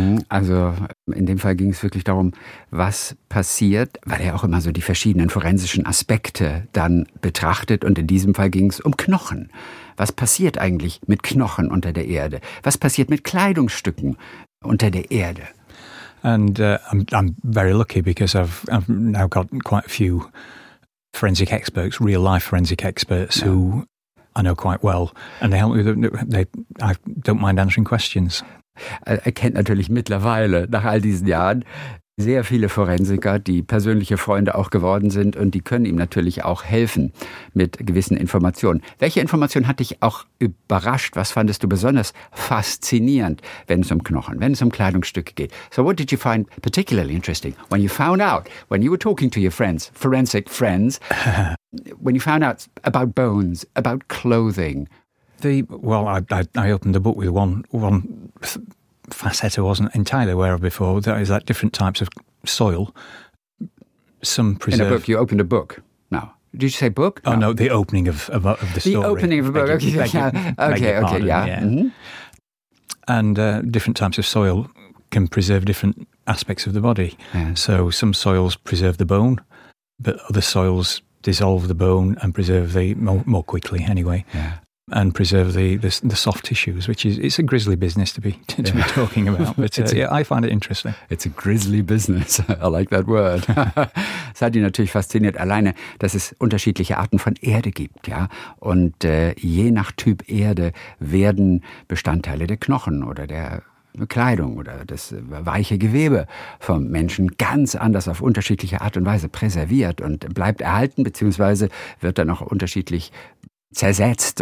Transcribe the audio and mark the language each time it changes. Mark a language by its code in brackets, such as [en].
[de] Also in dem Fall ging es wirklich darum, was passiert, weil er auch immer so die verschiedenen forensischen Aspekte dann betrachtet. Und in diesem Fall ging es um Knochen. Was passiert eigentlich mit Knochen unter der Erde? Was passiert mit Kleidungsstücken unter der Erde? [en] And I'm very lucky because I've now got quite a few forensic experts, real-life forensic experts, who I know quite well, and they help me. I don't mind answering questions. [de] Er kennt natürlich mittlerweile nach all diesen Jahren sehr viele Forensiker, die persönliche Freunde auch geworden sind, und die können ihm natürlich auch helfen mit gewissen Informationen. Welche Information hat dich auch überrascht? Was fandest du besonders faszinierend, wenn es um Knochen, wenn es um Kleidungsstücke geht? [en] So what did you find particularly interesting when you found out, when you were talking to your friends, forensic friends, when you found out about bones, about clothing? I opened the book with one facet I wasn't entirely aware of before. That is that different types of soil. Some preserve. In a book, you opened a book. Now, did you say book? Oh no, the opening of the story. The opening of a book. Okay. And different types of soil can preserve different aspects of the body. Yeah. So some soils preserve the bone, but other soils dissolve the bone and preserve the more quickly anyway. Yeah. And preserve the soft tissues, which is, it's a grisly business to be talking about. But I find it interesting. It's a grisly business. I like that word. [de] Seid ihr natürlich fasziniert alleine, dass es unterschiedliche Arten von Erde gibt, ja? Und je nach Typ Erde werden Bestandteile der Knochen oder der Kleidung oder das weiche Gewebe vom Menschen ganz anders auf unterschiedliche Art und Weise präserviert und bleibt erhalten, beziehungsweise wird dann auch unterschiedlich zersetzt.